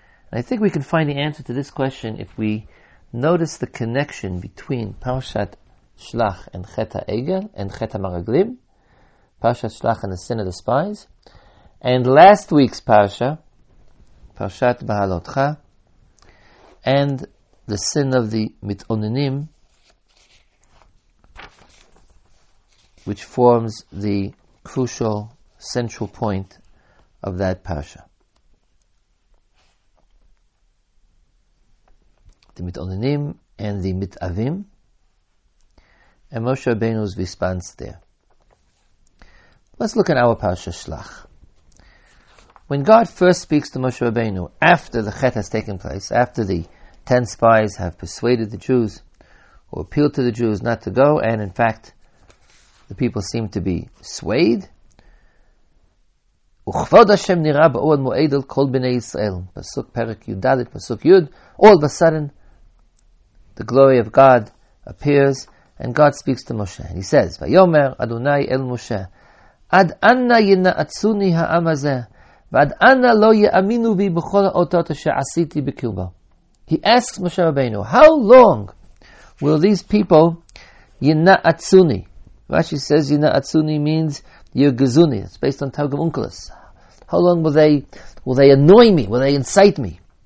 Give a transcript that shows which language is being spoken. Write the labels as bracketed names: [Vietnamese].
[English] And I think we can find the answer to this question if we notice the connection between Parshat Shlach and Cheta Egel and Cheta Maraglim, Parshat Shlach and the Sin of the Spies, and last week's Parsha, Parshat Baalotcha, and the Sin of the Mitonanim, which forms the crucial central point of that Parsha. The Mitonanim and the Mitavim, and Moshe Rabbeinu's response there. Let's look at our Parsha Shlach. When God first speaks to Moshe Rabbeinu, after the Chet has taken place, after the 10 spies have persuaded the Jews, or appealed to the Jews not to go, and in fact, the people seem to be swayed, [Hebrew] וכבוד השם נראה באוהל מועד על כל בני ישראל, פסוק פרק י' ד' פסוק י', [English] all of a sudden, the glory of God appears, and God speaks to Moshe, and he says, [Hebrew] ויאמר אדוני אל משה, עד אנה ינעצוני העם הזה, ועד אנה לא יאמינו בי בכל האותות שעשיתי בקרבו. [English] He asks Moshe Rabbeinu, how long will these people yina'atsuni? Rashi says yina'atsuni means yirgizuni. It's based on Targum Unkelus. How long will they annoy me? Will they incite me?